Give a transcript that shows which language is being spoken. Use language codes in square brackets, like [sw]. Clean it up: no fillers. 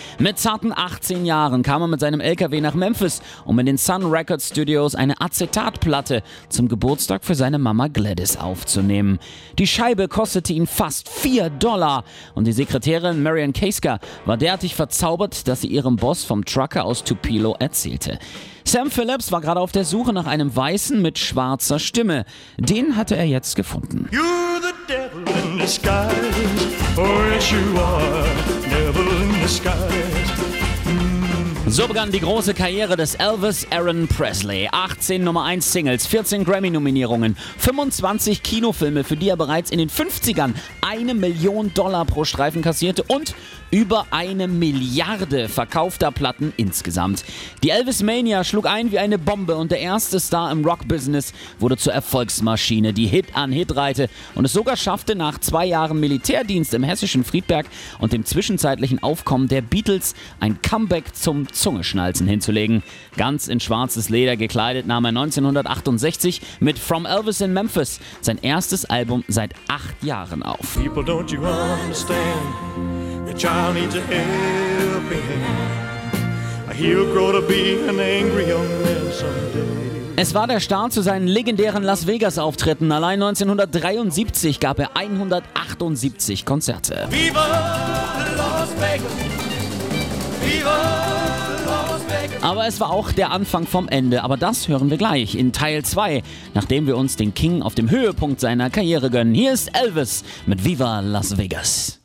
[de] Mit zarten 18 Jahren kam er mit seinem LKW nach Memphis, um in den Sun Records Studios eine Acetatplatte zum Geburtstag für seine Mama Gladys aufzunehmen. Die Scheibe kostete ihn fast $4. Und die Sekretärin Marian Kasker war derartig verzaubert, dass sie ihrem Boss vom Trucker aus Tupelo erzählte. Sam Phillips war gerade auf der Suche nach einem Weißen mit schwarzer Stimme. Den hatte er jetzt gefunden. [en] You're the devil in disguise, or yes you are, devil in disguise. [de] So begann die große Karriere des Elvis Aaron Presley. 18 Nummer 1 Singles, 14 Grammy-Nominierungen, 25 Kinofilme, für die er bereits in den 50ern $1 Million pro Streifen kassierte und über 1 Milliarde verkaufter Platten insgesamt. Die Elvis-Mania schlug ein wie eine Bombe und der erste Star im Rock-Business wurde zur Erfolgsmaschine, die Hit an Hit reihte und es sogar schaffte, nach 2 Jahren Militärdienst im hessischen Friedberg und dem zwischenzeitlichen Aufkommen der Beatles ein Comeback zum Zungenschnalzen hinzulegen. Ganz in schwarzes Leder gekleidet nahm er 1968 mit From Elvis in Memphis sein erstes Album seit 8 Jahren auf. [en] People, don't you understand? Your child needs a helping hand. He'll grow to be an angry young man someday. [de] Es war der Start zu seinen legendären Las Vegas-Auftritten. Allein 1973 gab er 178 Konzerte. [es] Viva Las Vegas! Viva! [de] Aber es war auch der Anfang vom Ende, aber das hören wir gleich in Teil 2, nachdem wir uns den King auf dem Höhepunkt seiner Karriere gönnen. Hier ist Elvis mit Viva Las Vegas.